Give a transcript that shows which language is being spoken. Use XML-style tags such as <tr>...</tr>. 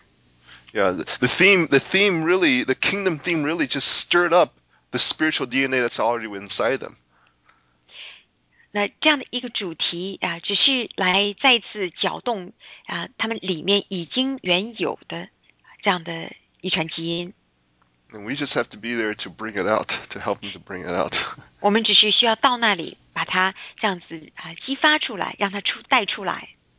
<en>Yeah. Yeah, the theme really, the kingdom theme really just stirred up the spiritual DNA that's already inside them.</en> <zh>那这样的一个主题只是来再次搅动他们里面已经原有的这样的遗传基因。</zh> <en>And we just have to be there to bring it out, to help them to bring it out.</en> <zh>我们只是需要到那里把它这样子激发出来，让它带出来。</zh>